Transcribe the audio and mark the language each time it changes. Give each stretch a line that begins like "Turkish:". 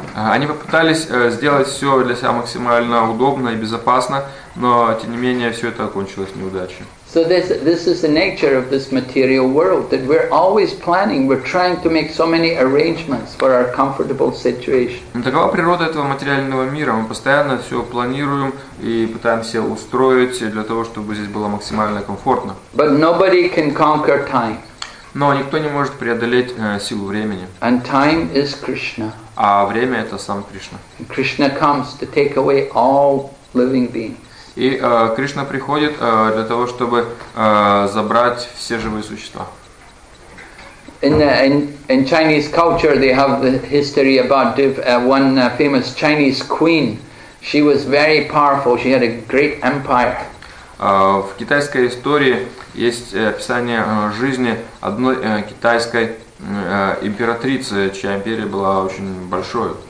Russian: Они попытались сделать все для себя максимально удобно и безопасно, но тем не менее все это окончилось неудачей.
English: So this is the nature of this material world, that we're always planning, we're trying to make so many arrangements for our comfortable situation.
Russian: Такова природа этого материального мира. Мы постоянно все планируем и пытаемся устроить для того, чтобы здесь было максимально комфортно.
English: But nobody can conquer time.
Russian: Но никто не может преодолеть силу времени.
English: And time is Krishna.
Russian: А время это сам Кришна.
English: Krishna comes to take away all living beings.
Russian: И Кришна приходит для того, чтобы забрать все живые существа.
English: In Chinese culture, they have the history about one famous Chinese queen. She was very powerful. She had a great empire.
Russian: В китайской истории есть описание жизни одной китайской императрицы, чья империя была очень большой.